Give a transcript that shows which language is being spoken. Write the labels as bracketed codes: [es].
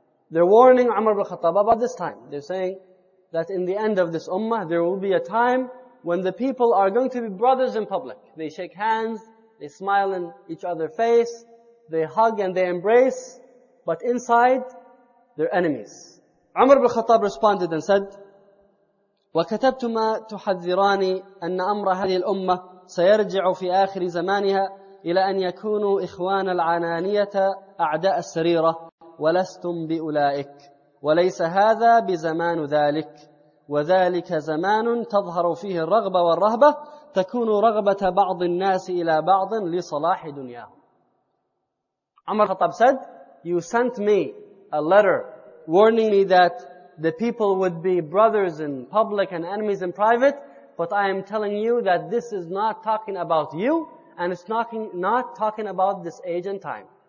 [en] They're warning Umar ibn Khattab about this time. They're saying that in the end of this ummah, there will be a time when the people are going to be brothers in public. They shake hands, they smile in each other's face, they hug and they embrace, but inside, they're enemies. Umar ibn Khattab responded and said, [ar] وَكَتَبْتُمَا تُحَذِّرَانِي أَنَّ أَمْرَ هَذِهِ الْأُمَّةِ سَيَرْجِعُ فِي آخِرِ زَمَانِهَا إِلَى أَنْ يَكُونُوا إِخْوَانَ الْعَنَانِيَةَ أَعْدَاءَ السَّرِيرَةِ وَلَسْتُمْ بِأُولَئِكَ وليس هذا بزمان ذلك، وذلك زمان تظهر فيه الرغبة والرهبة، تكون رغبة بعض الناس إلى بعض لصلاح دنياهم. [en] عمر خطاب said, you sent me a letter warning me that the people would be brothers in public and enemies in private, but I am telling you that this is not talking about you, and it's not talking about this age and time.